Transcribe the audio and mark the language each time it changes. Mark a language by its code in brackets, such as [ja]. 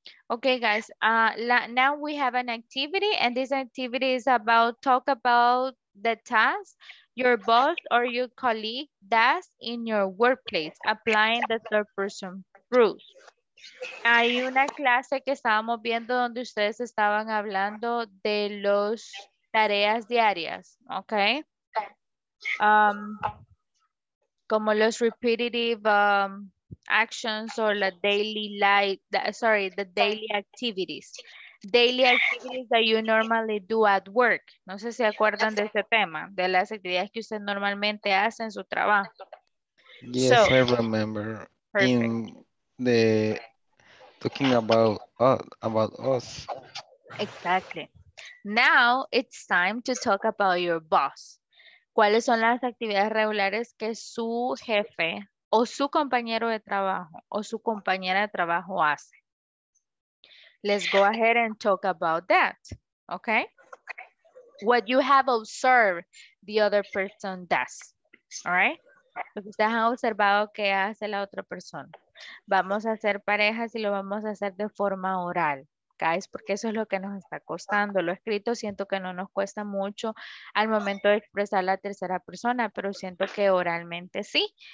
[en] Okay, guys, now we have an activity, and this activity is about talk about the task your boss or your colleague does in your workplace, applying the third person rules. [es] Hay una clase que estábamos viendo donde ustedes estaban hablando de las tareas diarias, okay? Como los [en] repetitive actions or the daily activities. Daily activities that you normally do at work. [es] No sé si acuerdan de ese tema, de las actividades que usted normalmente hace en su trabajo. [en] Yes, so, I remember. Perfect. In the talking about us. Exactly. Now it's time to talk about your boss. [es] ¿Cuáles son las actividades regulares que su jefe o su compañero de trabajo o su compañera de trabajo hace? [en] Let's go ahead and talk about that, okay? What you have observed the other person does, all right? [es] Lo que ustedes han observado que hace la otra persona. Vamos a hacer parejas y lo vamos a hacer de forma oral. Guys, porque eso es lo que nos está costando. Lo escrito siento que no nos cuesta mucho al momento de expresar la tercera persona, pero siento que oralmente sí.